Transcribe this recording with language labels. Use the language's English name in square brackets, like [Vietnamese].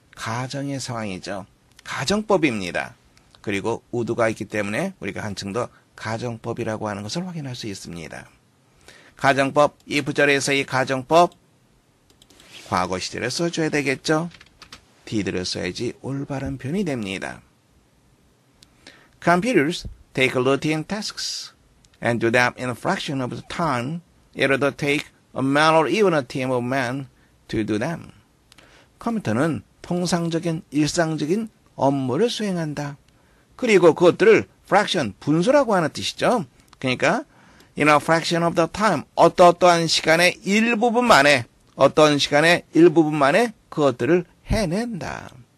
[Korean] 가정의 상황이죠. 가정법입니다. 그리고 우드가 있기 때문에 우리가 한층 더 가정법이라고 하는 것을 확인할 수 있습니다. 가정법, 이 부절에서의 가정법, 과거 시제를 써줘야 되겠죠? did를 써야지 올바른 표현이 됩니다. [English] Computers take routine tasks and do them in a fraction of the time it would take a man or even a team of men to do them. [Korean] 컴퓨터는 통상적인 일상적인 업무를 수행한다. 그리고 그것들을 fraction, 분수라고 하는 뜻이죠. 그러니까 [English] in a fraction of the time, [Korean] 어떠어떠한 시간의 일부분만에 어떤 시간의 일부분만에 그것들을 해낸다.